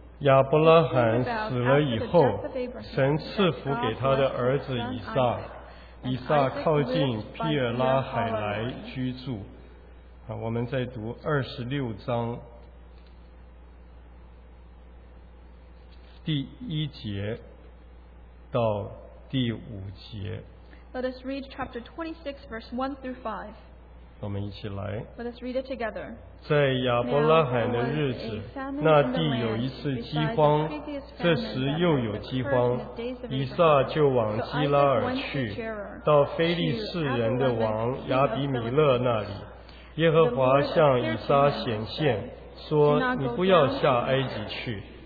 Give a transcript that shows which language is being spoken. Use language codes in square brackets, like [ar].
[zh] 亚伯拉罕死了以后，神赐福给他的儿子以撒。以撒靠近庇尔拉海来居住。我们再读二十六章第一节到第五节。 [en] Let us read chapter 26, verse 1 through 5. [zh] 我们一起来。 [en] Let us read it together. [zh] 在亚伯拉罕的日子，那地有一次饥荒，这时又有饥荒。以撒就往基拉尔去，到非利士人的王亚比米勒那里。耶和华向以撒显现，说：你不要下埃及去。